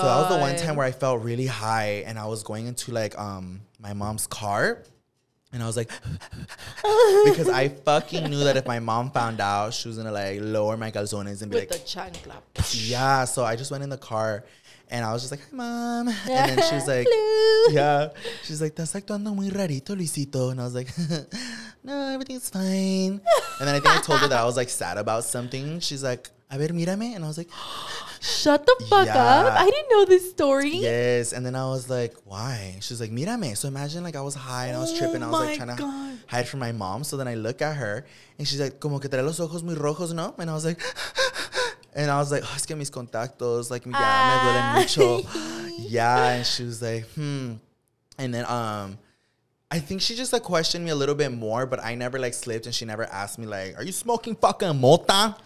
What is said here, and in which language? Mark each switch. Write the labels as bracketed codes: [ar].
[en] So that was the one time where I felt really high, and I was going into, like, my mom's car, and I was like, because I fucking knew that if my mom found out, she was going to, like, lower my calzones and be with like, the chancla. Yeah, so I just went in the car, and I was just like, hi, mom. Yeah. And then she was like, hello. Yeah. [es] She's like, estás actuando muy rarito, Luisito. [en] And I was like, no, everything's fine. And then I think I told her that I was, like, sad about something. She's like, [es] a ver, mírame. [en] And I was like, shut the fuck up. I didn't know this story. Yes. And then I was like, why? She's like, [es] mírame. [en] So imagine, like, I was high and I was tripping. I was, like, trying to hide from my mom. So then I look at her and she's like, [es] como que trae los ojos muy rojos, ¿no? [en] And I was like, and I was like, oh, [es] es que mis contactos, [en] like, [es] ya me duelen mucho. [en] Yeah. And she was like, And then, I think she just, like, questioned me a little bit more, but I never, like, slipped, and she never asked me, like, are you smoking fucking mota?